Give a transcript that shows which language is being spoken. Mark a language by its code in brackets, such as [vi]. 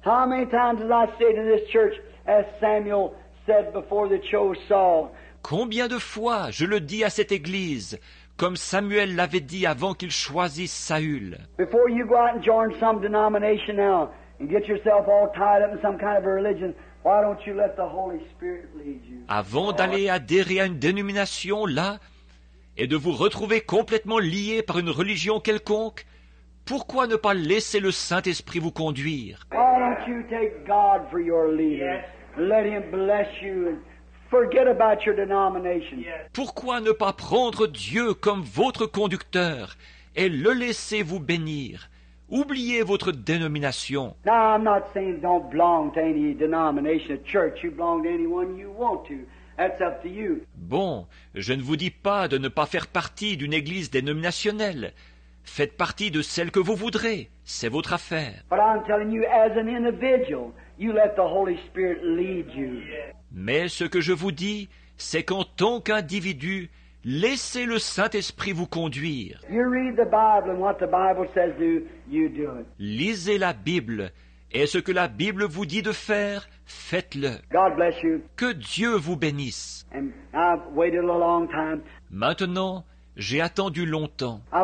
[en] How many times did I say to this church, as Samuel said before they chose Saul? [fr] Combien de fois je le dis à cette église, comme Samuel l'avait dit avant qu'il choisisse Saül? [en] Before you go out and join some denomination now and get yourself all tied up in some kind of a religion, why don't you let the Holy Spirit lead you? [fr] Avant d'aller adhérer à une dénomination là et de vous retrouver complètement lié par une religion quelconque, pourquoi ne pas laisser le Saint-Esprit vous conduire? [en] Why don't you take God for your leader? Yes. Let him bless you and forget about your denomination. Yes. [fr] Pourquoi ne pas prendre Dieu comme votre conducteur et le laisser vous bénir? Oubliez votre dénomination. [en] Now, I'm not saying don't belong to any denomination or church. You belong to anyone you want to. That's up to you. [fr] Bon, je ne vous dis pas de ne pas faire partie d'une église dénominationnelle. Faites partie de celle que vous voudrez, c'est votre affaire. [en] But I'm telling you, as an individual, you let the Holy Spirit lead you. [fr] Mais ce que je vous dis, c'est qu'en tant qu'individu, laissez le Saint-Esprit vous conduire. [en] You read the Bible and what the Bible says do, you do it. [fr] Lisez la Bible et ce que la Bible vous dit de faire, faites-le. [en] God bless you. [fr] Que Dieu vous bénisse. [en] And I've waited a long time. [fr] Maintenant, j'ai attendu longtemps.